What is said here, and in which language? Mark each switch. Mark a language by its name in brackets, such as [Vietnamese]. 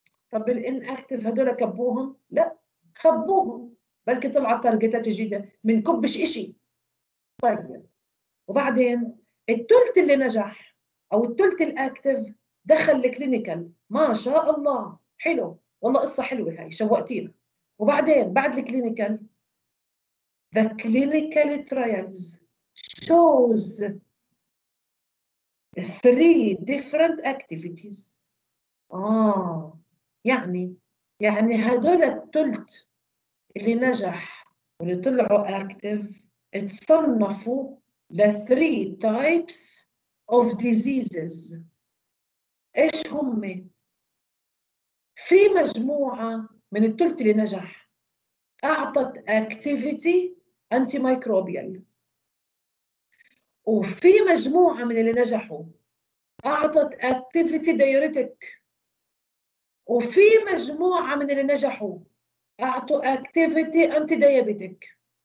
[Arabic] طب الان اكتف هدول كبوهم؟ لا خبوهم، بلكي طلعت تارجتات جديده من كبش اشي. طيب وبعدين التلت اللي نجح او التلت الاكتف دخل الكلينيكال، ما شاء الله حلو، والله قصه حلوه هاي شوقتينا. وبعدين بعد الكلينيكال [English] the clinical trials shows three different activities. [Arabic] يعني هدول التلت اللي نجح واللي طلعوا active اتصنفوا ل [English] three types of diseases. [Arabic] ايش هم؟ في مجموعة من التلت اللي نجح اعطت activity antimicrobial، وفي مجموعة من اللي نجحوا أعطت activity diuretic، وفي مجموعة من اللي نجحوا أعطوا activity antidiabetic.